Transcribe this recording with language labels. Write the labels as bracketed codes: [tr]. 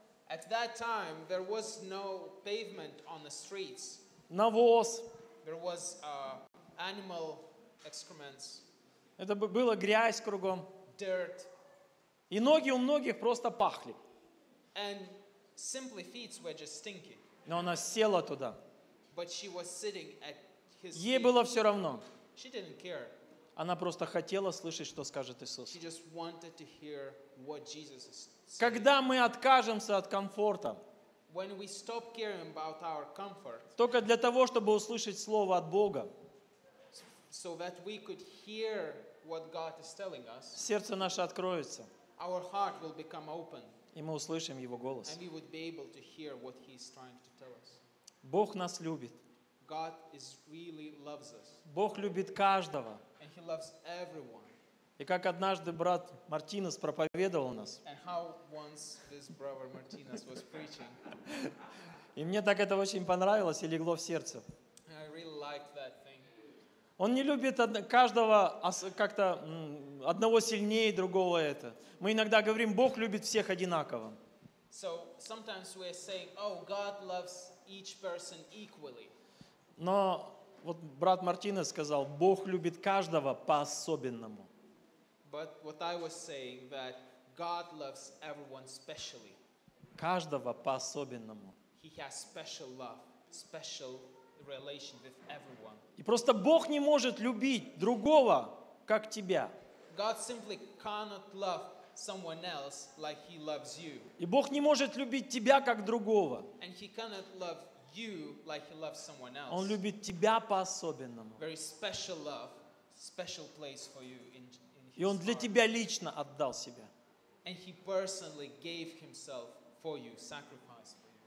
[en] At that time, there was no pavement on the streets. [ru] Навоз. [en] There was animal excrements. [ru] Это было грязь кругом. [en] Dirt. [ru] И ноги у многих просто пахли. [en] And simply feet were just stinky. [ru] Но она села туда. [en] But she was sitting at his feet. [ru] Ей было все равно. [en] She didn't care. [ru] Она просто хотела слышать, что скажет Иисус. [en] She just wanted to hear what Jesus is saying. [ru] Когда мы откажемся от комфорта, [en] when we stop caring about our comfort, [ru] только для того, чтобы услышать слово от Бога, [en] so that we could hear what God is telling us, [ru] сердце наше откроется, [en] our heart will become open, [ru] и мы услышим Его голос. [en] And we would be able to hear what He is trying to tell us. [ru] Бог нас любит. [en] God is really loves us. [ru] Бог любит каждого. [en] And He loves everyone. [ru] И как однажды брат Мартинес проповедовал нас. [en] And how once this brother Martinez was preaching. [ru] И мне так это очень понравилось и легло в сердце. [en] I really liked that thing. [ru] Он не любит каждого как-то одного сильнее другого это. Мы иногда говорим, Бог любит всех одинаково. [en] So sometimes we're saying, oh, God loves each person equally. [ru] Но вот брат Мартинес сказал, Бог любит каждого по-особенному. [en] But what I was saying, that God loves everyone specially. [ru] каждого по-особенному. [en] He has special love, special relation with everyone. [ru] И просто Бог не может любить другого, как тебя. [en] God simply cannot love someone else like he loves you. [ru] И Бог не может любить тебя, как другого. [en] And he cannot love you like he loves someone else. [ru] Он любит тебя по-особенному. [en] Very special love, special place for you in his heart. [ru] И Он для тебя лично отдал себя. [en] And he personally gave himself for you, sacrificed for you.